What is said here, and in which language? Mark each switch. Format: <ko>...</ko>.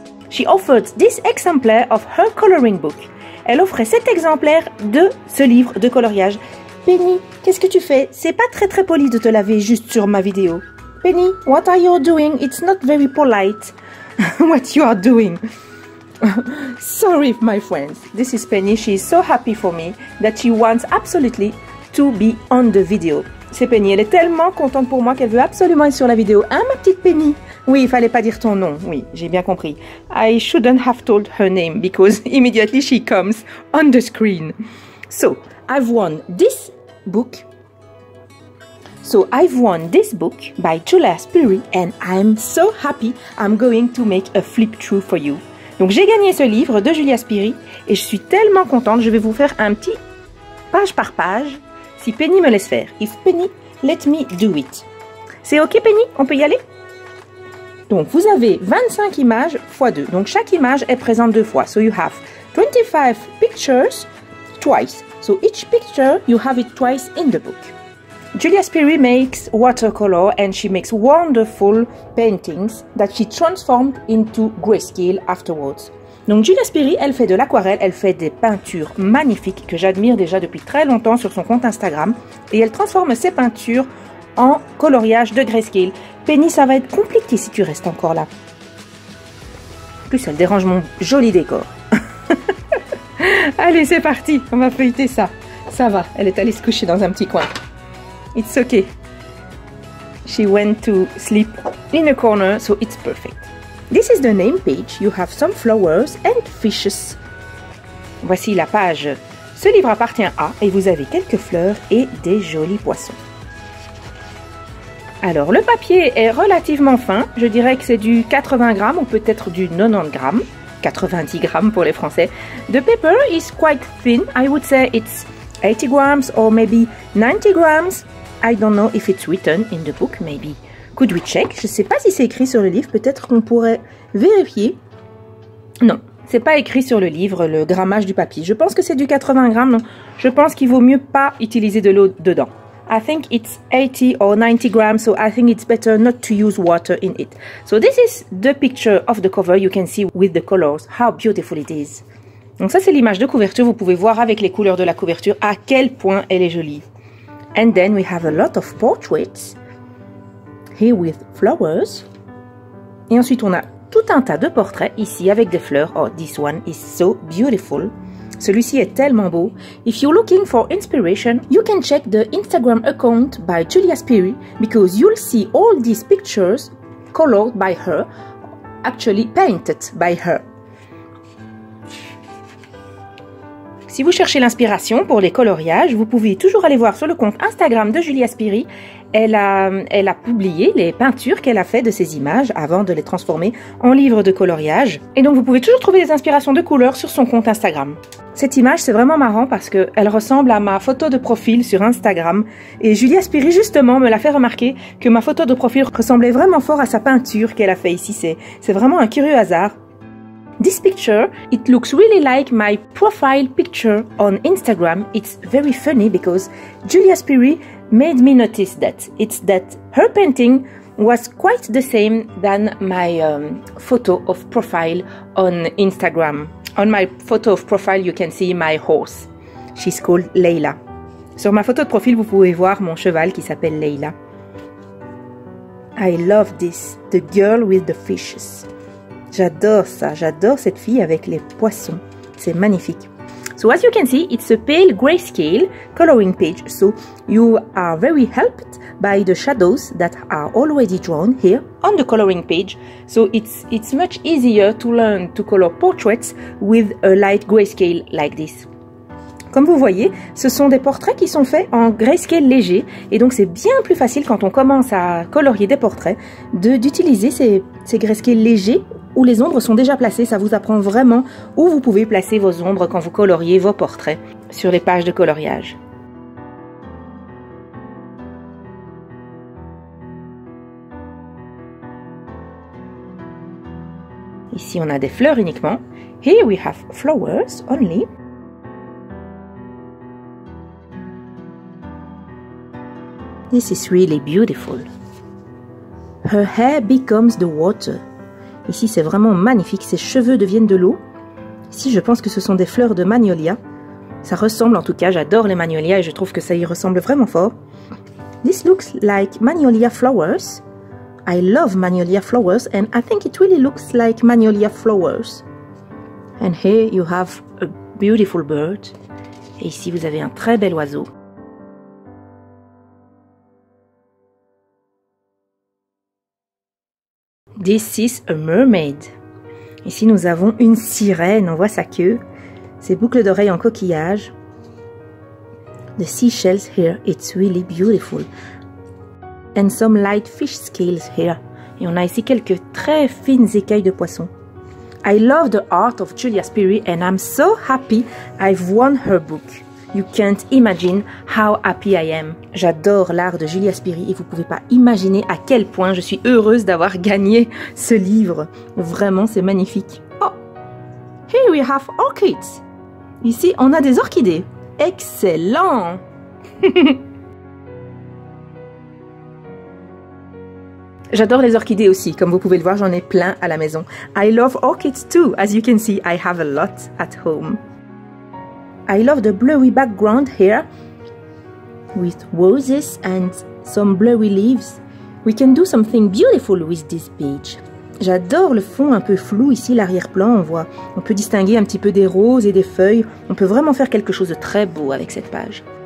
<en>She offered this exemplar of her coloring book.</en> <fr>Elle offrait cet exemplaire de ce livre de coloriage. Penny, qu'est-ce que tu fais? C'est pas très très poli de te laver juste sur ma vidéo.</fr> <en>Penny, what are you doing? It's not very polite. What you are doing? Sorry, my friends. This is Penny. She is so happy for me that she wants absolutely to be on the video.</en> <fr>C'est Penny. Elle est tellement contente pour moi qu'elle veut absolument être sur la vidéo. Hein, ma petite Penny? Oui, il fallait pas dire ton nom. Oui, j'ai bien compris.</fr> <en>I shouldn't have told her name because immediately she comes on the screen. So, I've won this book. So I've won this book by Julia Spiri and I'm so happy I'm going to make a flip through for you.</en> <fr>Donc j'ai gagné ce livre de Julia Spiri et je suis tellement contente, je vais vous faire un petit page par page si Penny me laisse faire.</fr> <en>If Penny, let me do it.</en> <fr>C'est ok Penny, on peut y aller? Donc vous avez 25 images x 2, donc chaque image est présente deux fois.</fr> <en>So you have 25 pictures twice. So each picture you have it twice in the book. Julia Spiri makes watercolor and she makes wonderful paintings that she transformed into grayscale afterwards.</en> <fr>Donc Julia Spiri, elle fait de l'aquarelle, elle fait des peintures magnifiques que j'admire déjà depuis très longtemps sur son compte Instagram et elle transforme ses peintures en coloriage de grayscale. Penny, ça va être compliqué si tu restes encore là. En plus, elle dérange mon joli décor. Allez, c'est parti, on va feuilleter ça. Ça va, elle est allée se coucher dans un petit coin.</fr> <en>It's okay. She went to sleep in a corner, so it's perfect. This is the name page. You have some flowers and fishes.</en> <fr>Voici la page. Ce livre appartient à, et vous avez quelques fleurs et des jolis poissons. Alors, le papier est relativement fin. Je dirais que c'est du 80 grammes ou peut-être du 90 grammes. 90 grammes pour les Français.</fr> <en>The paper is quite thin. I would say it's 80 grams or maybe 90 grams. I don't know if it's written in the book, maybe. Could we check?</en> <fr>Je ne sais pas si c'est écrit sur le livre. Peut-être qu'on pourrait vérifier. Non, ce n'est pas écrit sur le livre, le grammage du papier. Je pense que c'est du 80 grammes. Donc je pense qu'il vaut mieux pas utiliser de l'eau dedans.</fr> <en>I think it's 80 or 90 grams, so I think it's better not to use water in it. So this is the picture of the cover. You can see with the colors how beautiful it is.</en> <fr>Donc ça, c'est l'image de couverture. Vous pouvez voir avec les couleurs de la couverture à quel point elle est jolie.</fr> <en>And then we have a lot of portraits here with flowers.</en> <fr>Et ensuite on a tout un tas de portraits ici avec des fleurs.</fr> <en>Oh, this one is so beautiful.</en> <fr>Celui-ci est tellement beau.</fr> <en>If you're looking for inspiration, you can check the Instagram account by Julia Spiri because you'll see all these pictures colored by her, actually painted by her.</en> <fr>Si vous cherchez l'inspiration pour les coloriages, vous pouvez toujours aller voir sur le compte Instagram de Julia Spiri. Elle a publié les peintures qu'elle a faites de ses images avant de les transformer en livres de coloriage. Et donc vous pouvez toujours trouver des inspirations de couleurs sur son compte Instagram. Cette image, c'est vraiment marrant parce qu'elle ressemble à ma photo de profil sur Instagram. Et Julia Spiri, justement, me l'a fait remarquer que ma photo de profil ressemblait vraiment fort à sa peinture qu'elle a faite ici. C'est vraiment un curieux hasard.</fr> <en>This picture, it looks really like my profile picture on Instagram. It's very funny because Julia Spiri made me notice that. It's that her painting was quite the same than my photo of profile on Instagram. On my photo of profile, you can see my horse. She's called Leila.</en> <fr>Sur ma photo de profil, vous pouvez voir mon cheval qui s'appelle Leila.</fr> <en>I love this, the girl with the fishes.</en> <fr>J'adore ça, j'adore cette fille avec les poissons. C'est magnifique.</fr> <en>So as you can see, it's a pale grayscale coloring page. So you are very helped by the shadows that are already drawn here on the coloring page. So it's much easier to learn to color portraits with a light grayscale like this.</en> <fr>Comme vous voyez, ce sont des portraits qui sont faits en grayscale léger. Et donc c'est bien plus facile quand on commence à colorier des portraits d'utiliser ces grayscales légers où les ombres sont déjà placées. Ça vous apprend vraiment où vous pouvez placer vos ombres quand vous coloriez vos portraits sur les pages de coloriage. Ici, on a des fleurs uniquement.</fr> <en>Here we have flowers only. This is really beautiful. Her hair becomes the water.</en> <fr>Ici, c'est vraiment magnifique. Ses cheveux deviennent de l'eau. Ici, je pense que ce sont des fleurs de magnolia. Ça ressemble en tout cas. J'adore les magnolias et je trouve que ça y ressemble vraiment fort.</fr> <en>This looks like magnolia flowers. I love magnolia flowers and I think it really looks like magnolia flowers. And here you have a beautiful bird.</en> <fr>Et ici, vous avez un très bel oiseau.</fr> <en>This is a mermaid.</en> <fr>Ici, nous avons une sirène. On voit sa queue. Ses boucles d'oreilles en coquillage.</fr> <en>The seashells here, it's really beautiful. And some light fish scales here.</en> <fr>Et on a ici quelques très fines écailles de poisson.</fr> <en>I love the art of Julia Spiri and I'm so happy I've won her book. You can't imagine how happy I am.</en> <fr>J'adore l'art de Julia Spiri et vous pouvez pas imaginer à quel point je suis heureuse d'avoir gagné ce livre. Vraiment, c'est magnifique.</fr> <en>Oh, here we have orchids.</en> <fr>Ici, on a des orchidées. Excellent. J'adore les orchidées aussi. Comme vous pouvez le voir, j'en ai plein à la maison.</fr> <en>I love orchids too. As you can see, I have a lot at home. I love the blurry background here with roses and some blurry leaves. We can do something beautiful with this beach.</en> <fr>J'adore le fond un peu flou ici, l'arrière-plan, on voit. On peut distinguer un petit peu des roses et des feuilles. On peut vraiment faire quelque chose de très beau avec cette page.</fr>